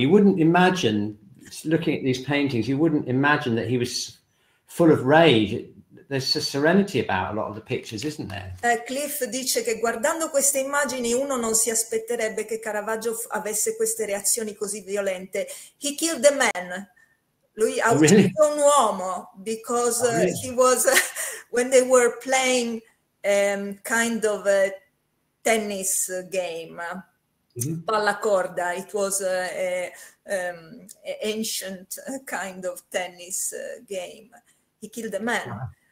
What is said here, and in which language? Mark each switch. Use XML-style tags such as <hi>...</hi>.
<en>You wouldn't imagine, looking at these paintings, you wouldn't imagine that he was full of rage. there's a serenity about a lot of the pictures, isn't there?</en> <it>Cliff dice che guardando queste immagini uno non si aspetterebbe che Caravaggio avesse queste reazioni così violente.</it> <en>He killed a man.</en> <it>Lui ha ucciso un uomo</it> <en>because he was when they were playing kind of a tennis game. Mm-hmm. Pallacorda, it was an ancient kind of tennis game. He killed a man.</en>